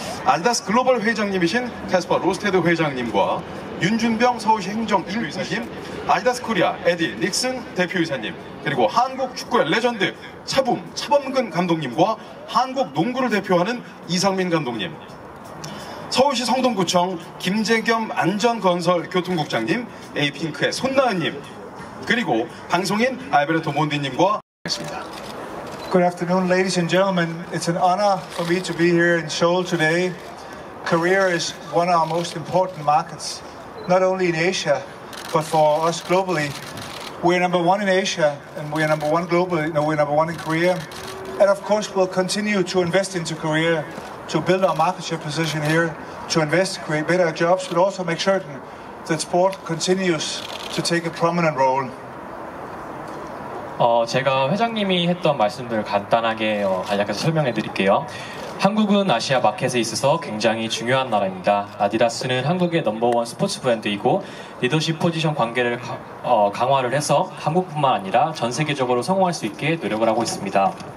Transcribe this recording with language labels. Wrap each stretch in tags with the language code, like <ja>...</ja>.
<ko>아디다스 글로벌 회장님이신 캐스퍼 로스테드 회장님과 윤준병 서울시 행정 1위사님, 아디다스 코리아 에디 닉슨 대표이사님, 그리고 한국 축구의 레전드 차범근 감독님과 한국 농구를 대표하는 이상민 감독님, 서울시 성동구청 김재겸 안전건설교통국장님, 에이핑크의 손나은님, 그리고 방송인 알베르토 몬디님과 함께했습니다.</ko> <en>Good afternoon, ladies and gentlemen. It's an honor for me to be here in Seoul today. Korea is one of our most important markets, not only in Asia, but for us globally. We're number one in Asia, and we're number one globally. No, we're number one in Korea. And of course, we'll continue to invest into Korea to build our market share position here, to invest, create better jobs, but also make certain that sport continues to take a prominent role.</en> <ko>제가 회장님이 했던 말씀들을 간단하게 간략해서 설명해 드릴게요. 한국은 아시아 마켓에 있어서 굉장히 중요한 나라입니다. 아디다스는 한국의 넘버원 스포츠 브랜드이고 리더십 포지션 관계를 강화를 해서 한국뿐만 아니라 전 세계적으로 성공할 수 있게 노력을 하고 있습니다.</ko>